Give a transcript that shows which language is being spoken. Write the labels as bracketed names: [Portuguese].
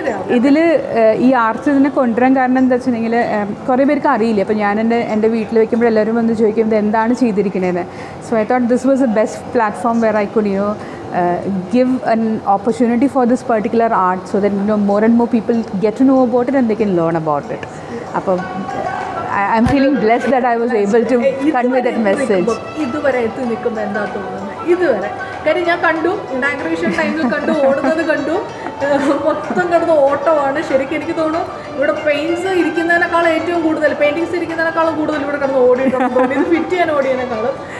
[Malayalam] അതെ, ഇതിൽ ഈ ആർട്സ് ഇതിനെ കൊണ്ടുവരാൻ കാരണം എന്താ വെച്ചിട്ടുണ്ടെങ്കിൽ, കുറേ പേർക്ക് അറിയില്ല. അപ്പോൾ ഞാൻ എൻ്റെ വീട്ടിൽ വയ്ക്കുമ്പോൾ എല്ലാവരും വന്ന് ചോദിക്കും ഇത് എന്താണ് ചെയ്തിരിക്കുന്നതെന്ന്. [English] So I thought this was a best platform where I could you give an opportunity for this particular art, so that you know more and more people get to know about it and they can learn about it. [Malayalam] അപ്പോൾ [English] I'm feeling blessed that I was able to convey that message. [Malayalam] ഇതുവരെ എത്തി നിൽക്കുന്ന എന്താ തോന്നുന്നത്? ഇതുവരെ കാര്യം ഞാൻ കണ്ടു, ഡെക്കറേഷൻ ടൈമിൽ കണ്ടു, ഓടുന്നത് കണ്ടു, മൊത്തം കിടന്ന് ഓട്ടമാണ്. ശരിക്കും എനിക്ക് തോന്നുന്നു ഇവിടെ പെയിൻസ് ഇരിക്കുന്നതിനേക്കാൾ ഏറ്റവും കൂടുതൽ, പെയിൻറ്റിങ്സ് ഇരിക്കുന്നതിനേക്കാളും കൂടുതൽ ഇവിടെ കിടന്ന് ഓടിയിട്ടുണ്ട്, ഇത് ഫിറ്റ് ചെയ്യാൻ ഓടിയതിനേക്കാളും.